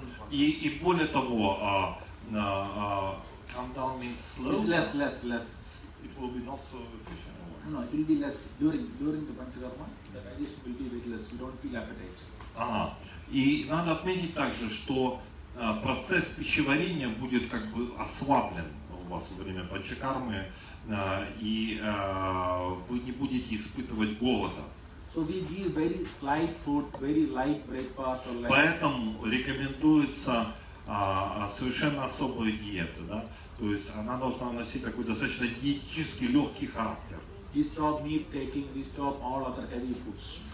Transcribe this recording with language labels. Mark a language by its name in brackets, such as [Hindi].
[Russian] И более того, [English] come down means slow. It's less. It will be not so efficient. No, it will be less during the panchakarma. The digestion will be very less. You don't feel appetite. [Russian] И надо отметить также, что процесс пищеварения будет как бы ослаблен у вас во время панчакармы, и вы не будете испытывать голода. [English] So we give very slight food, very light breakfast or light. [Russian] Поэтому рекомендуется совершенно особая диета, да? То есть она должна носить такой достаточно диетический легкий характер. [English] We stop meat taking, we stop all other heavy foods.